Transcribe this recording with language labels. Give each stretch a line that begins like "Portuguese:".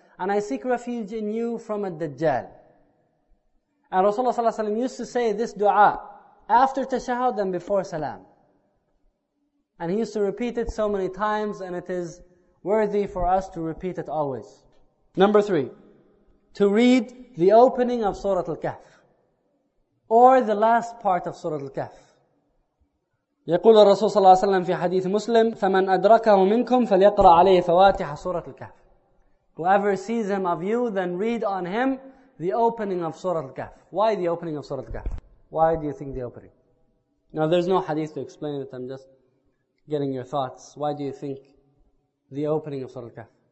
English: And I seek refuge in you from al-dajjal. And Rasulullah sallallahu alayhi wa sallam used to say this dua after tashahud and before salam. And he used to repeat it so many times, and it is worthy for us to repeat it always. Number three, to read the opening of Surah Al-Kahf, or the last part of Surah Al-Kahf.
Arabic: يقول الرسول صلى الله عليه وسلم في حديث مسلم فمن أدركه منكم فليقرأ عليه فواتح سورة الكهف.
English: Whoever sees him of you, then read on him the opening of Surah Al-Kahf. Why the opening of Surah Al-Kahf? Why do you think the opening? Now there's no hadith to explain it, I'm just getting your thoughts. Why do you think the opening of Surah Al-Kahf?